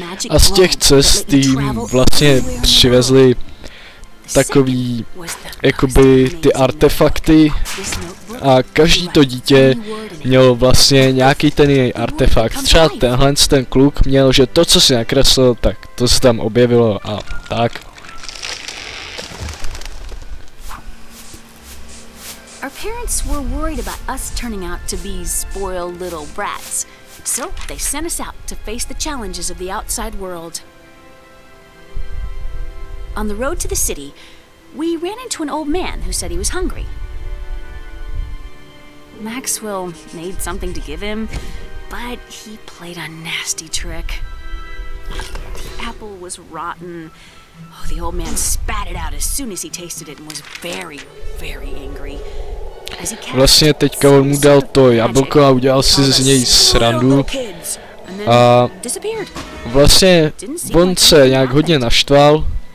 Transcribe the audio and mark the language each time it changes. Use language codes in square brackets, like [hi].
[cs] A z těch cest jim vlastně přivezli takový, jakoby ty artefakty, a každý to dítě mělo vlastně nějaký ten jej artefakt. Třeba tenhle ten kluk měl, že to, co si nakreslil, tak to se tam objevilo a tak. [en] Our parents were worried about us turning out to be spoiled little brats. So they sent us out to face the challenges of the outside world. On the road to the city, we ran into an old man who said he was hungry. Maxwell made something to give him, but he played a nasty trick. The apple was rotten. Oh, the old man spat it out as soon as he tasted it and was very, very angry. [cs] Vlastně teďka on mu dal to jablko a udělal si z něj srandu. A vlastně on se nějak hodně naštval.